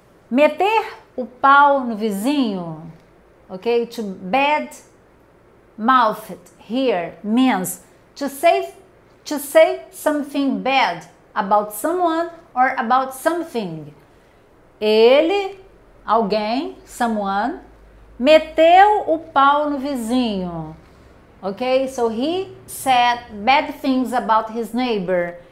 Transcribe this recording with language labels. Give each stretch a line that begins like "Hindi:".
Portuguese: Meter o pau no vizinho, ok?
English: To badmouthed here means to say something bad about someone or about something.
Portuguese: Ele, alguém,
English: someone,
Portuguese: meteu o pau no vizinho. Ok?
English: So he said bad things about his neighbor.